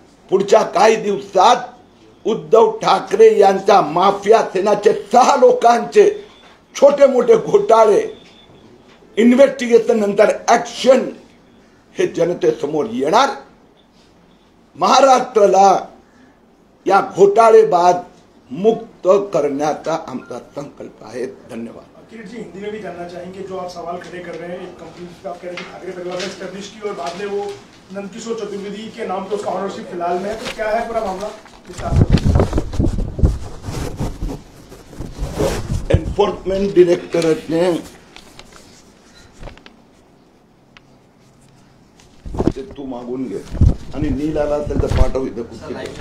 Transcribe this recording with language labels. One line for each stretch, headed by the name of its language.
Marathi: पुढच्या काही दिवसात उद्धव ठाकरे यांच्या माफिया सेनेचे 6 लोकांचे छोटे मोठे घोटाळे इन्व्हेस्टिगेशन नंतर ऍक्शन हे जनतेसमोर येणार. महाराष्ट्राला या घोटाळेबाद मुक्त करण्याचा आमचा संकल्प आहे. धन्यवाद.
Hindi: किरीट जी, हिंदी में भी जानना चाहेंगे जो आप सवाल खड़े कर रहे हैं, एक कंपनी जिसका आप कह रहे हैं ठाकरे परिवार ने एस्टेब्लिश की और बाद में वो नंदकिशोर चतुर्वेदी के नाम पे उसका ऑनरशिप फिलहाल में है, तो क्या है पूरा मामला?
Marathi: एनफोर्समेंट डायरेक्टरेट ने ते तू मागून घे आणि नीलाला असेल तर पाठव इथं कुठे.